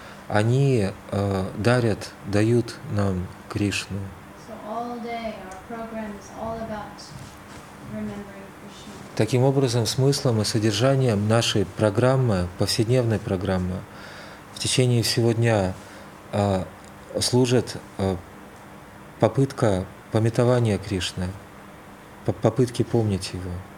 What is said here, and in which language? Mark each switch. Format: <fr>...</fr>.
<ru>Они дарят, дают нам Кришну.</ru> <en>So all day our program is all about remembering Krishna.</en> <ru>Таким образом, смыслом и содержанием нашей программы, повседневной программы, в течение всего дня служит попытка памятование Кришны, попытки помнить Его.</ru>